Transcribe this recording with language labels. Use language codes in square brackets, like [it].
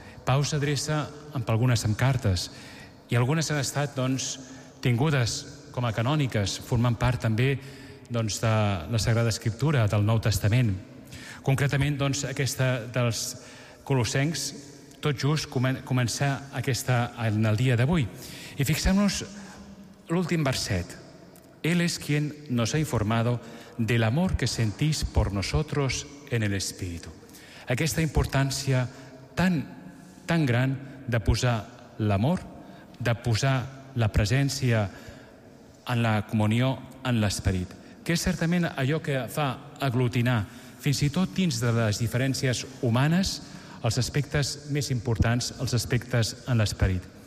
[ca] Pau s'adreça amb algunes amb cartes i algunes han estat doncs tingudes com a canòniques, formant part també doncs de la Sagrada Escriptura, del Nou Testament. Concretament, doncs, aquesta dels colossencs, tot just començar aquesta en el dia d'avui. I fixem-nos l'últim verset. [es] «Él es quien nos ha informado del amor que sentís por nosotros en el Espíritu». [ca] Aquesta importància tan, tan gran de posar l'amor, de posar la presència en la comunió, en l'Esperit, que és certament allò que fa aglutinar, fins i tot dins de les diferències humanes, els aspectes més importants, els aspectes en l'esperit.